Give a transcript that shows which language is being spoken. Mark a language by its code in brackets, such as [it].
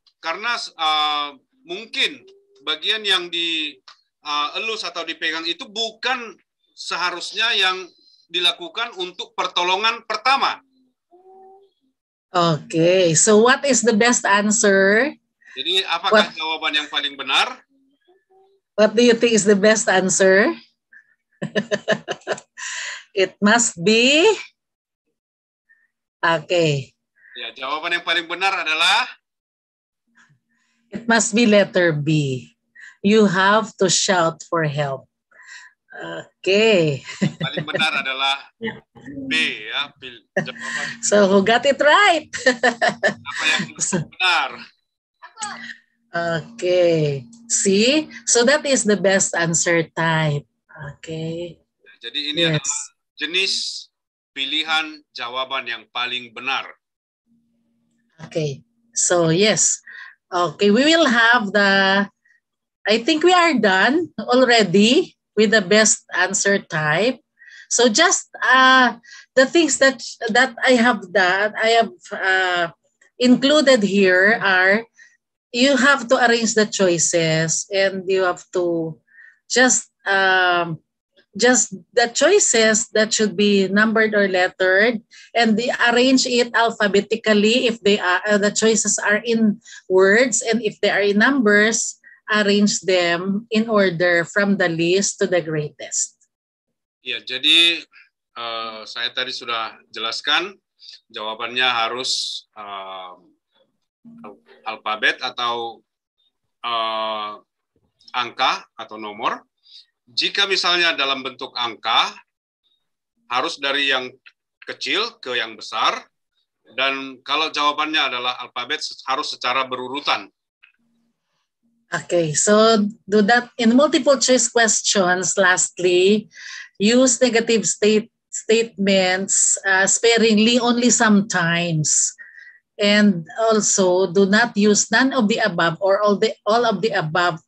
[id] Karena mungkin bagian yang dielus atau dipegang itu bukan seharusnya yang dilakukan untuk pertolongan pertama. [en] Okay, so what is the best answer? [id] Jadi apakah jawaban yang paling benar? [en] What do you think is the best answer? It must be. Okay. [id] Ya, jawaban yang paling benar adalah [en] it must be letter B. You have to shout for help. Okay. [id] Paling benar adalah B ya. [en] So who got it right? [id] Apa yang benar? [en] Okay. See? So that is the best answer type. Okay. [id] Jadi ini yes. adalah jenis pilihan jawaban yang paling benar. [en] Okay. So yes. Okay, we will have the I think we are done already with the best answer type. So just the things that I have done, I have included here are you have to arrange the choices and you have to just the choices that should be numbered or lettered and they arrange it alphabetically if they are the choices are in words and if they are in numbers, arrange them in order from the least to the greatest. [id] Ya, jadi saya tadi sudah jelaskan jawabannya harus alfabet atau angka atau nomor. Jika misalnya dalam bentuk angka, harus dari yang kecil ke yang besar, dan kalau jawabannya adalah alfabet, harus secara berurutan. [en] Okay, so do that in multiple choice questions. Lastly, use negative statements sparingly only sometimes. And also, do not use none of the above or all of the above.